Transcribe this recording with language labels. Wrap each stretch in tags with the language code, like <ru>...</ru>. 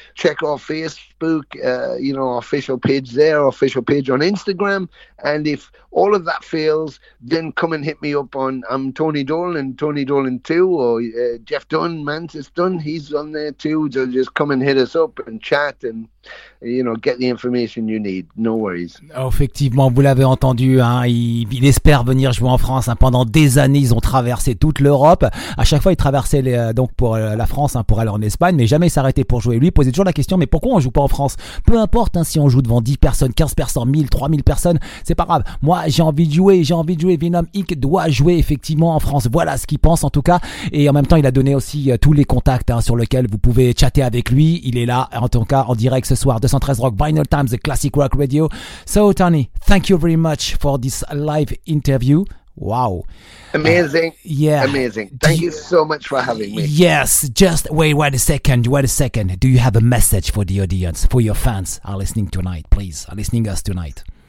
<en>Check our Facebook, official page there, official page on Instagram. And if all of that fails, then then come and hit me up on Tony Dolan, Tony Dolan 2, or Jeff Dunn, Mantis Dunn, he's on there too. So just come and hit us up and chat and, you know, get the information you need. No worries.</en> <fr>Effectivement, vous l'avez entendu, hein, il espère venir jouer en France. Hein. Pendant des années, ils ont traversé toute l'Europe. À chaque fois, ils traversaient donc pour la France, hein, pour aller en Espagne, mais jamais s'arrêter pour jouer. Lui, il posait toujours la question, mais pourquoi on joue pas en France? Peu importe, hein, si on joue devant 10 personnes, 15 personnes, 1000, 3000 personnes, c'est pas grave. Moi, j'ai envie de jouer. Venom Inc. doit jouer effectivement en France. Voilà ce qu'il pense en tout cas. Et en même temps, il a donné aussi tous les contacts, hein, sur lesquels vous pouvez chatter avec lui. Il est là, en tout cas, en direct ce soir. 213 Rock, Vinyl Times, The Classic Rock Radio.</fr> <en>So, Tony, thank you very much for this live interview. Wow. Amazing. Yeah. Amazing. Thank you so much for having me. Yes. Just wait a second. Do you have a message for the audience, for your fans are listening tonight, please, are listening us tonight?</en>